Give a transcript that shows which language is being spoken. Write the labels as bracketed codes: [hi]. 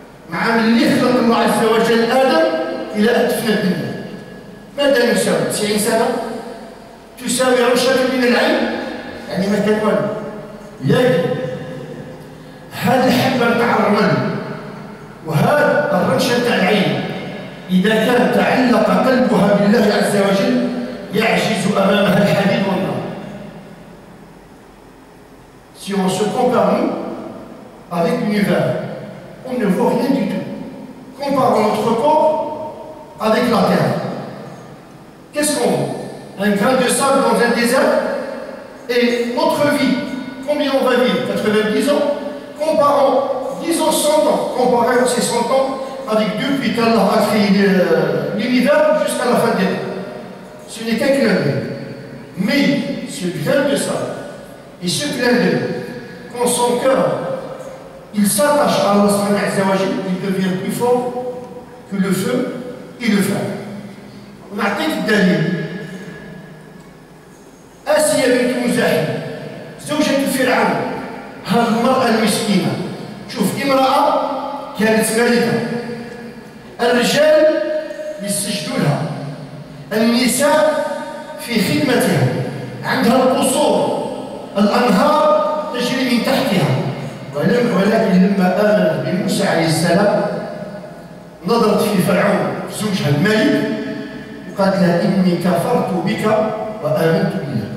[ar] مع اللي خلق الله عز وجل ادم الى ان تفنى الدنيا، ماذا نساوي؟ 90 سنة؟ تساوي عشرة من العلم؟ يعني ما كان والو، لكن هذه الحبة نتاع الرمل وهذا الرمشة نتاع العين إذا كان تعلق قلبها بالله عز وجل يعجز أمامها الحديد والنار. [fr] Si on se compare nous avec l'univers, on ne voit rien du tout. Comparons notre corps avec la terre. Qu'est-ce qu'on voit? Un grain de sable dans un désert? Et notre vie, combien on va vivre? 90 ans? Comparons, disons 100 ans, comparons ces 100 ans avec depuis qu'Allah a créé l'univers jusqu'à la fin des temps. Ce n'est qu'un clin d'œil. Mais ce clin de ça, et ce clin d'œil, quand son cœur il s'attache à Allah, il devient plus fort que le feu et le fer. On a dit d'aller. [ar] آسيا بنت مزاحم زوجة فرعون. هذه المرأة المسكينة، شوف امرأة كانت ملكة، الرجال يسجدوا لها، النساء في خدمتها، عندها القصور، الأنهار تجري من تحتها، ولكن لما آمنت بموسى عليه السلام نظرت في فرعون زوجها الملك وقالت لها إني كفرت بك وآمنت بالله.